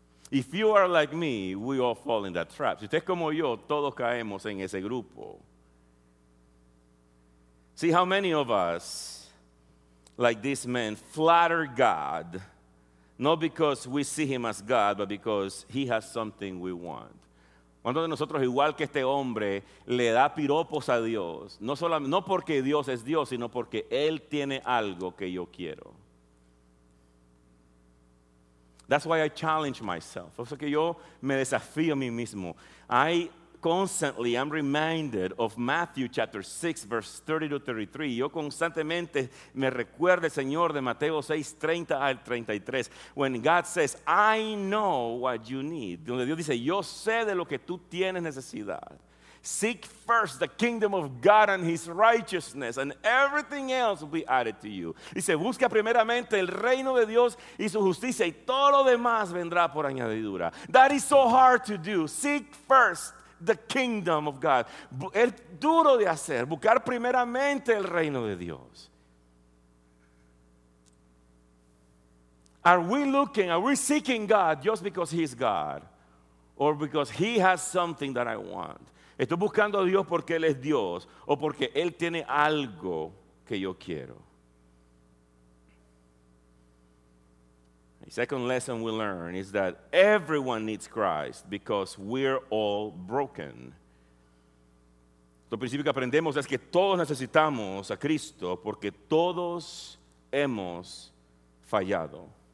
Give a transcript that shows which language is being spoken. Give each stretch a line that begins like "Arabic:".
English: If you are like me, we all fall in that trap.
Spanish: Si usted es como yo, todos caemos en ese grupo.
English: See how many of us, like this man, flatter God. Not because we see him as God, but because he has something we want.
Spanish: Cuando de nosotros, igual que este hombre, le da piropos a Dios, no porque Dios es Dios, sino porque él tiene algo que yo quiero.
English: That's why I challenge myself.
Spanish: O sea que yo me desafío a mí mismo.
English: Constantly, I'm reminded of Matthew chapter 6, verse 30 to 33.
Spanish: Yo constantemente me recuerdo, Señor, de Mateo 6, 30 al 33.
English: When God says, I know what you need.
Spanish: Donde Dios dice, yo sé de lo que tú tienes necesidad.
English: Seek first the kingdom of God and his righteousness, and everything else will be added to you.
Spanish: Dice, busca primeramente el reino de Dios y su justicia, y todo lo demás vendrá por añadidura.
English: That is so hard to do. Seek first the kingdom of God.
Spanish: Es duro de hacer, buscar primeramente el reino de Dios.
English: Are we looking, are we seeking God just because he's God? Or because he has something that I want?
Spanish: Estoy buscando a Dios porque él es Dios o porque él tiene algo que yo quiero.
English: Second lesson we learn is that everyone needs Christ because we're all broken.
Spanish: Lo principio que aprendemos es que todos necesitamos a Cristo porque todos hemos fallado.